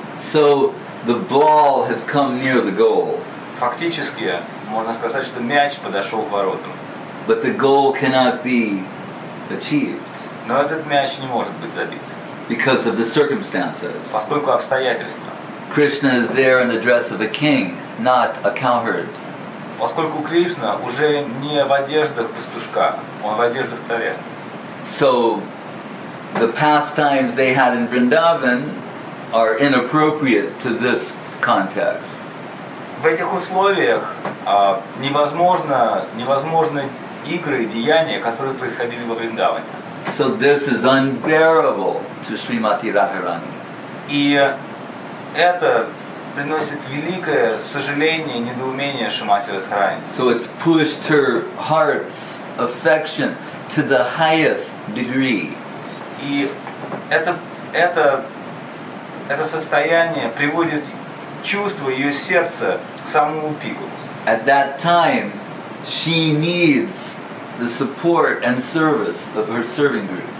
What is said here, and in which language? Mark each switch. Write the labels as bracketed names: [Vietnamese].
[English] So the ball has come near the goal. [Russian] Фактически, можно сказать, что мяч подошел к воротам. [English] But the goal cannot be achieved. [Russian] Но этот мяч не может быть забит. [English] Because of the circumstances. [Russian] Поскольку обстоятельства. [English] Krishna is there in the dress of a king, not a cowherd. [Russian] Поскольку Кришна уже не в одеждах пастушка, он в одеждах царя. [English] So the pastimes they had in Vrindavan are inappropriate to this context. [Russian] В этих условиях невозможны игры и деяния, которые происходили во Вриндаване. [English] So this is unbearable to Srimati Radharani. [Russian] И это приносит великое сожаление, недоумение Шримати Радхарани. [English] So it's pushed her heart's affection to the highest degree. [Russian] И это состояние приводит чувство ее сердца к самому пику. [English] At that time, she needs the support and service of her serving group.